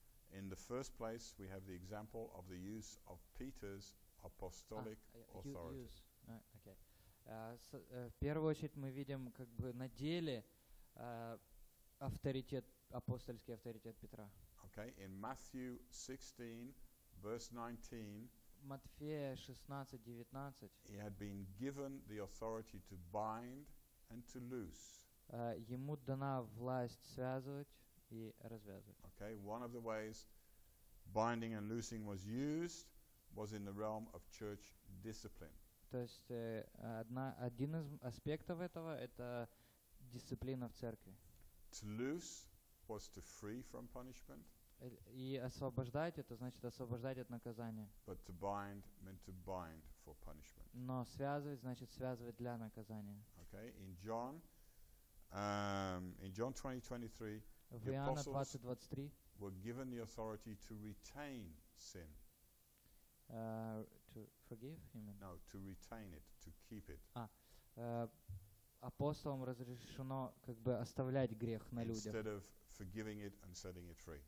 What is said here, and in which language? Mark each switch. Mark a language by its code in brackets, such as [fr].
[en] In the first place, we have the example of the use of Peter's apostolic authority. Okay. [ru] В первую очередь мы видим, как бы на деле авторитет апостольский авторитет Петра. [en] Okay. In Matthew 16, verse 19. [ru] Матфея 16:19. [en] He had been given the authority to bind and to loose. [ru] Ему дана власть связывать и развязывать. [en] Okay, one of the ways binding and loosing was used was in the realm of church discipline. [ru] То есть один из аспектов этого это дисциплина в церкви. [en] To loose was to free from punishment. [ru] И освобождать, это значит освобождать от наказания. [en] But to bind meant to bind for punishment. [ru] Но связывать, значит связывать для наказания. [en] Okay, in John 20:23, the apostles 20:23 were given the authority to retain sin. To forgive him? No, to retain it, to keep it. [ru] Апостолам разрешено как бы оставлять грех на людях. [en] Instead of forgiving it and setting it free.